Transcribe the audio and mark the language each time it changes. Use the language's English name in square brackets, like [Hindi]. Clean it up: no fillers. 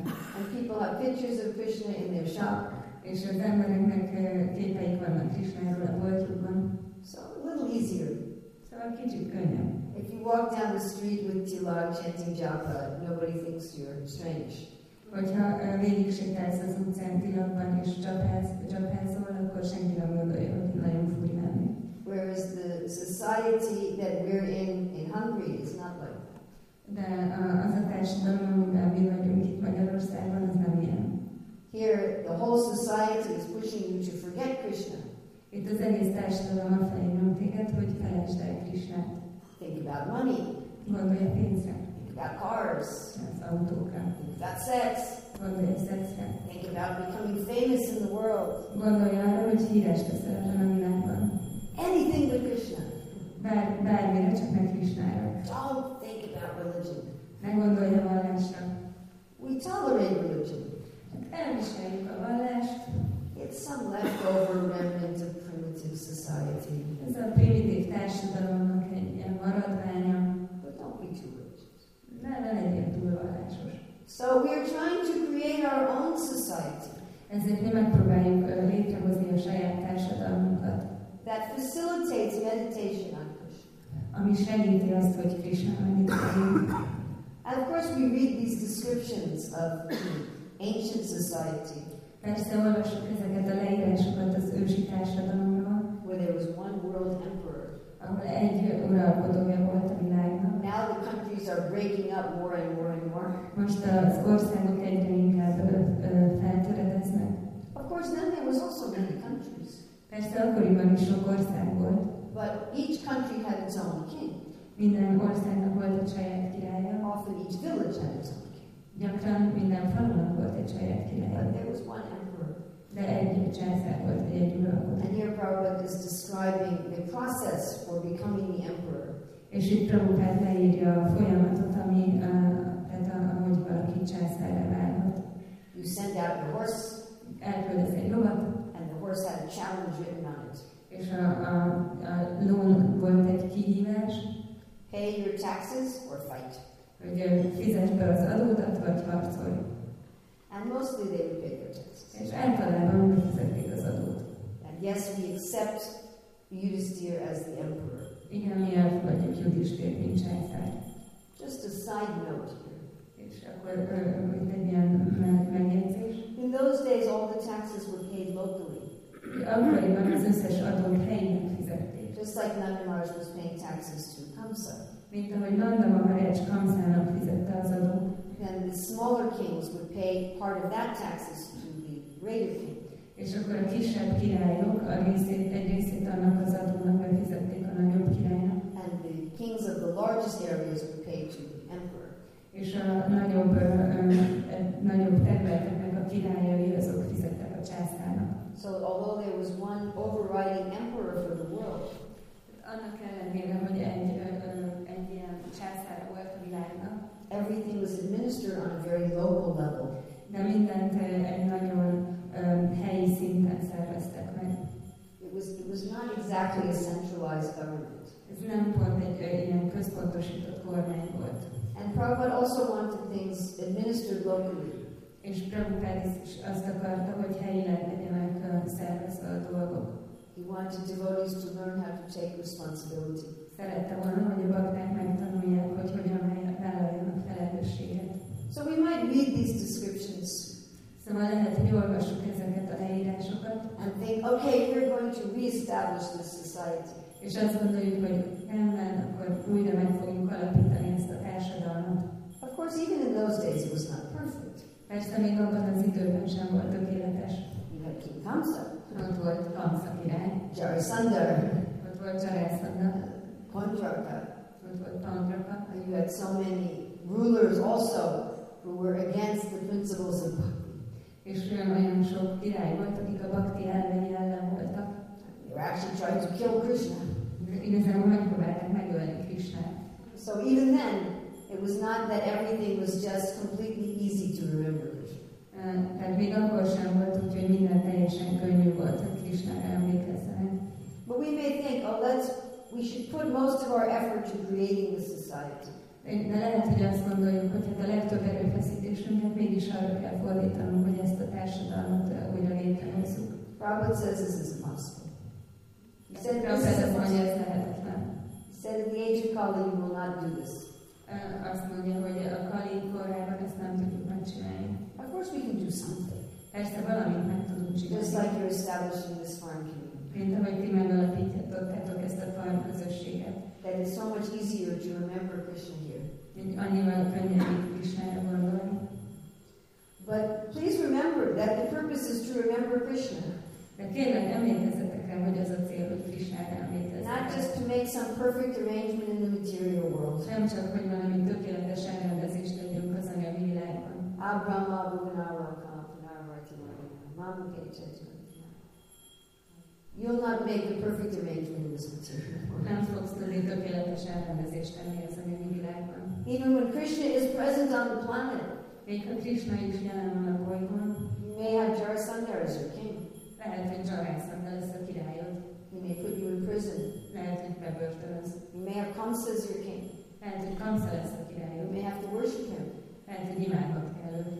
[English] And people have pictures of Krishna in their shop. [Hungarian] És az embereknek képeik vannak Krishnáról a boltjukban. [English] So a little easier. [Hungarian] Szóval kicsit könnyebb. [English] If you walk down the street with tilak chanting japa, nobody thinks you're strange. [Hungarian] Hogyha végig sétálsz az utcán tilakban és japázol, akkor senki nem gondolja, hogy nagyon furi lenni. [English] Whereas the society that we're in Hungary is not like that. [Hungarian] De az a társadalom, amiben mi vagyunk itt Magyarországon, az nem ilyen. [English] Here, the whole society is pushing you to forget Krishna. [Hungarian] Itt az egész társadalom a felé nyom téged, hogy felejtsd el Krishnát. [English] Think about money. [Hungarian] Gondolj a pénzre. [English] Think about cars. [Hungarian] Az autókra. [English] Think about sex. [Hungarian] Gondolj a szexre. [English] Think about becoming famous in the world. [Hungarian] Gondolj arra, hogy híres leszel a világban. [English] Anything but Krishna. [Hungarian] Bármire, csak meg Krishnára. [English] Don't think about religion. [Hungarian] Ne gondolj a vallásra. [English] We tolerate religion. [Hungarian] Elviseljük a vallást. [English] It's some leftover remnant of primitive society. [Hungarian] Ez a primitív társadalomnak egy ilyen maradványa. [English] But don't be too rich. [Hungarian] Ne legyél túl vallásos. [English] So we are trying to create our own society. [Hungarian] Ezért mi megpróbáljuk létrehozni a saját társadalmunkat. [English] That facilitates meditation on Krishna. [Hungarian] Ami segíti azt, hogy Krishna meditáljunk. [English] And of course we read these descriptions of ancient society. [Hungarian] Persze olvassuk ezeket a leírásokat az ősi társadalomról. [English] Where there was one world emperor. [Hungarian] Ahol egy uralkodója volt a világnak. [English] Now the countries are breaking up more and more and more. [Hungarian] Most az országok egyre inkább feltöredeznek. [English] Of course then there was also many countries. [Hungarian] Persze akkoriban is sok ország volt. [English] But each country had its own king. [Hungarian] Minden országnak volt egy saját királya. [English] Often each village had its own. [Hungarian] Gyakran minden falunak volt egy saját király. [English] But there was one emperor. [Hungarian] De egy császár volt, vagy egy uralkodó. [English] And here Prabhupada is describing the process for becoming the emperor. [Hungarian] És itt Prabhupada leírja a folyamatot, ami, ahogy valaki császárra válhat. [English] You send out the horse. [Hungarian] Elküldesz egy lovat. [English] And the horse had a challenge written on it. [Hungarian] És a lónak volt egy kihívás. [English] Pay your taxes or fight. [Hungarian] Hogy fizetsd be az adódat, vagy harcolj. [English] And mostly they would pay their taxes. [Hungarian] És általában fizették az adót. [English] And yes, we accept Yudhisthira as the emperor. [Hungarian] Igen, mi elfogadjuk Yudhisthira, mint császár. [English] Just a side note here. [Hungarian] És akkor hogy egy ilyen megjegyzés. [English] In those days all the taxes were paid locally. [Hungarian] Akkoriban az összes adót helyben fizették. [English] Just like Nanda Maharaj was paying taxes to Kamsa. [Hungarian] Mint ahogy Nanda Maharaj Kamszának fizette az adót. [English] Then the smaller kings would pay part of that taxes to the greater king. [Hungarian] És akkor a kisebb királyok a részét, egy részét annak az adónak befizették a nagyobb királynak. [English] And the kings of the largest areas would pay to the emperor. [Hungarian] És a nagyobb, nagyobb területeknek a királyai azok fizettek a császárnak. [English] So although there was one overriding emperor for the world, [Hungarian] annak ellenére, hogy egy ilyen császár volt a világnak. [English] Everything was administered on a very local level. [Hungarian] De mindent egy nagyon helyi szinten szerveztek meg. [English] It was not exactly a centralized government. [Hungarian] Ez nem volt egy ilyen központosított kormány volt. [English] And Prabhupada also wanted things administered locally. [Hungarian] És Prabhupada is azt akarta, hogy helyileg legyenek szervezve a dolgok. [English] He wanted devotees to learn how to take responsibility. [Hungarian] Szerette volna, hogy a bakták megtanulják, hogy hogyan vállaljon a felelősséget. [English] So we might read these descriptions. [Hungarian] Szóval lehet, hogy olvassuk ezeket a leírásokat. [English] And think, okay, we're going to re-establish this society. [Hungarian] És azt gondoljuk, hogy rendben, akkor újra meg fogjuk alapítani ezt a társadalmat. [English] Of course, even in those days it was not perfect. [Hungarian] Persze, még abban az időben sem volt tökéletes. [English] We had King Kamsa. [Hungarian] Ott volt Kamsa király. [English] Jarasandar. [Hungarian] Ott volt Jarasandar. [English] Pandraka. [Hungarian] Ott volt Pandraka. [English] And you had so many rulers also who were against the principles of bhakti. [Hungarian] És olyan sok király volt, akik a bhakti elvei ellen voltak. [English] They were actually trying to kill Krishna. [Hungarian] Igazából megpróbálták megölni Krishnát. [English] So even then, it was not that everything was just completely easy to remember. [Hungarian] Tehát még akkor sem volt, úgyhogy minden teljesen könnyű volt, hogy Krishnára emlékezzenek. [English] But we may think, oh, we should put most of our effort to creating the society. [Hungarian] De lehet, hogy azt gondoljuk, hogy hát a legtöbb erőfeszítésünket mégis arra kell fordítanunk, hogy ezt a társadalmat újra létrehozzuk. [English] Prabhupada says this is impossible. He said this is [Hungarian] lehetetlen. [English] He said at the age of Kali you will not do this. [Hungarian] Azt mondja, hogy a Kali korában ezt nem tudjuk megcsinálni. [English] Of course we can do something. [Hungarian] Persze valamit meg tudunk csinálni. [English] Just like you're establishing this farm community. [Hungarian] Mint ahogy ti megalapítottátok ezt a farm közösséget. [English] That is so much easier to remember Krishna here. [Hungarian] Annyival könnyebb Krishnára gondolni. [English] But please remember that the purpose is to remember Krishna. [Hungarian] De kérlek, emlékezzetek el, hogy az a cél, hogy Krishnára emlékezzetek. [English] Not just to make some perfect arrangement in the material world. [Hungarian] Nem csak, hogy valami tökéletes elrendezést tegyünk az anyagi világban. Abraham Abu Nara Kampanarati Mamma Gajajaj. [English] You'll not make the perfect arrangement in this material. [Hungarian] Nem fogsz tudni tökéletes elrendezést tenni az anyagi világban. [English] Even when Krishna is present on the planet, [Hungarian] még ha Krishna is jelen van a bolygón, [English] you may have Jarasandar as your king. [Hungarian] Lehet, hogy Jarasandar lesz a királyod. [English] He may put you in prison. [Hungarian] Lehet, hogy bebörtönöz. [English] You may have Kamsa as your king. [Hungarian] Lehet, hogy Kamsa lesz a királyod. [English] You may have to worship him. [Hungarian] Lehet, hogy imádnod kell.